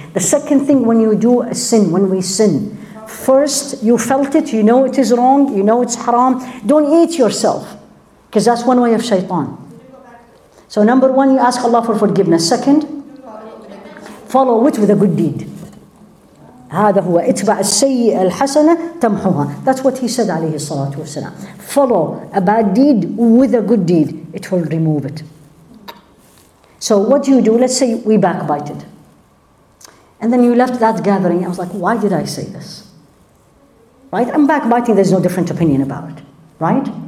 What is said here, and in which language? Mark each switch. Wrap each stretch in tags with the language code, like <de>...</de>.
<en>The second thing, when you do a sin, when we sin, first, you felt it, you know it is wrong, you know it's haram. Don't eat yourself, because that's one way of shaitan. So number one, you ask Allah for forgiveness. Second, follow it with a good deed.</en> <ar>هذا هو اتبع السيء الحسنة تمحوها.</ar> <en>That's what he said,</en> <ar>عليه الصلاة والسلام.</ar> <en>Follow a bad deed with a good deed. It will remove it. So what do you do? Let's say we backbited. And then you left that gathering. I was like, why did I say this? Right? I'm backbiting, there's no different opinion about it. Right?</en>